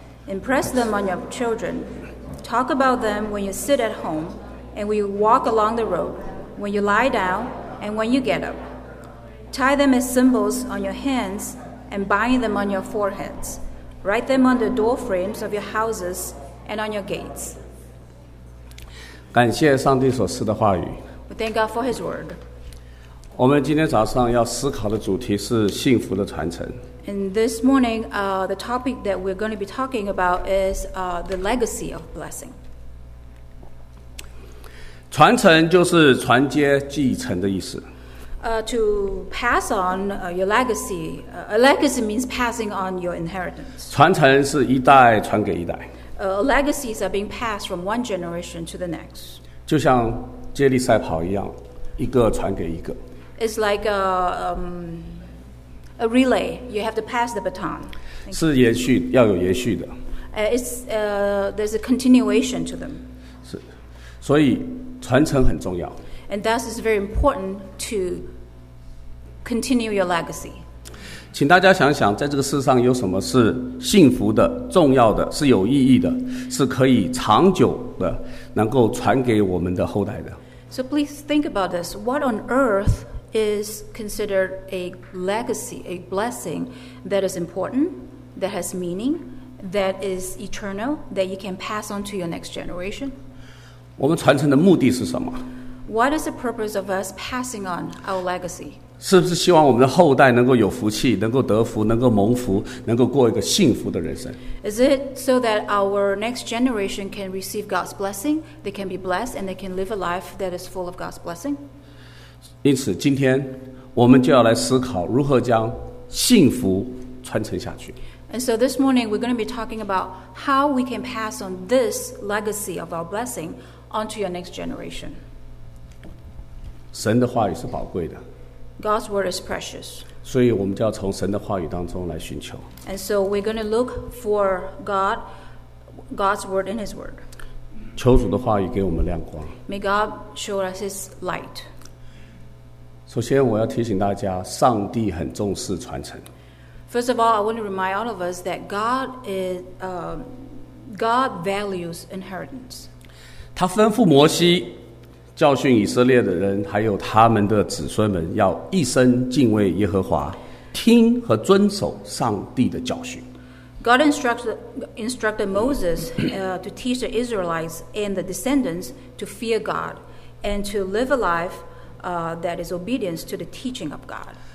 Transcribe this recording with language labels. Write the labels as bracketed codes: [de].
[en] Impress them on your children. Talk about them when you sit at home and when you walk along the road, when you lie down and when you get up. Tie them as symbols on your hands and bind them on your foreheads. Write them on the door frames of your houses and on your gates. [zh] 感谢上帝所赐的话语。 [en] We thank God for His word. [zh] 我们今天早上要思考的主题是幸福的传承。 [en] And this morning, the topic that we're going to be talking about is the legacy of blessing. [zh] 传承就是传接继承的意思。 [en] To pass on your legacy. A legacy means passing on your inheritance. [zh] 传承是一代传给一代。 [en] Legacies are being passed from one generation to the next. [zh] 就像接力赛跑一样，一个传给一个。 [en] It's like a relay. You have to pass the baton. [zh] 是延续，要有延续的。 [en] There's a continuation to them. [zh] 是，所以传承很重要。 [en] And thus it's very important to continue your legacy. [zh] 请大家想想，在这个世上有什么是幸福的、重要的、是有意义的、是可以长久的、能够传给我们的后代的。 [en] So please think about this. What on earth is considered a legacy, a blessing that is important, that has meaning, that is eternal, that you can pass on to your next generation? [zh] 我们传承的目的是什么？ [en] What is the purpose of us passing on our legacy? [zh] 是不是希望我们的后代能够有福气，能够得福，能够蒙福，能够过一个幸福的人生？ [en] Is it so that our next generation can receive God's blessing? They can be blessed and they can live a life that is full of God's blessing? [zh] 因此，今天我们就要来思考如何将幸福传承下去。 [en] And so this morning we're going to be talking about how we can pass on this legacy of our blessing onto your next generation. [zh] 神的话语是宝贵的。 [en] God's word is precious. [zh] 所以我们就要从神的话语当中来寻求。 [en] And so we're going to look for God, God's word in His word. [zh] 求主的话语给我们亮光。 [en] May God show us His light. [zh] 首先我要提醒大家，上帝很重视传承。 [en] First of all, I want to remind all of us that God is, God values inheritance. [zh] 他吩咐摩西教训以色列的人还有他们的子孙们要一生敬畏耶和华听和遵守上帝的教训 [en] God instructed Moses to teach the Israelites and the descendants to fear God and to live a life that is obedient to the teaching of God